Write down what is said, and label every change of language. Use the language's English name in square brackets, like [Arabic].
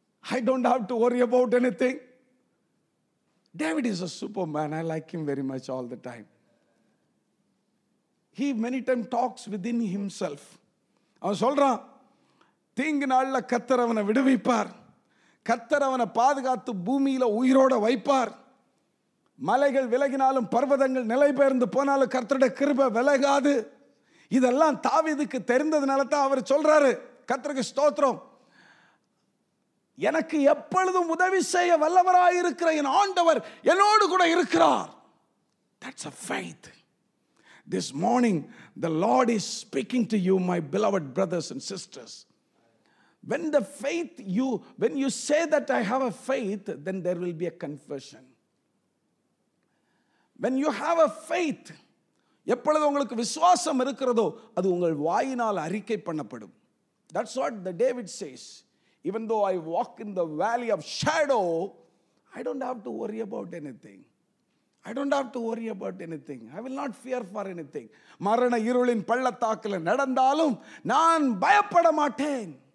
[English] I don't have to worry about anything. David is a superman. I like him very much all the time. He many times talks within himself. [Tamil] அவன் சொல்றான், தீங்க நாள்ல கர்த்தர் அவனை விடுவிப்பார், கர்த்தர் அவனை பாதுகாத்து பூமியில உயிரோட வைப்பார், மலைகள் விலகினாலும் பர்வதங்கள் நிலை பெயர்ந்து போனாலும் கர்த்தருடைய கிருபை விலகாது. இதெல்லாம் தாவீதுக்கு தெரிந்ததுனாலதான் அவர் சொல்றாரு, கர்த்தருக்கு ஸ்தோத்திரம், எனக்கு எப்பொழுதும் உதவி செய்ய வல்லவராயிருக்கிற என் ஆண்டவர் என்னோடு கூட இருக்கிறார். [English] That's a faith. This morning, the Lord is speaking to you, my beloved brothers and sisters. When the faith you, when you say that I have a faith, then there will be a confession. When you have a faith, [Tamil] எப்பொழுது உங்களுக்கு விசுவாசம் இருக்கிறதோ அது உங்கள் வாயினால் அறிக்கை பண்ணப்படும். [English] That's what the David says. Even though I walk in the valley of shadow, I don't have to worry about anything. I will not fear for anything. [Tamil] மரண இருளின் பள்ளத்தாக்கில் நடந்தாலும் நான் பயப்பட மாட்டேன்.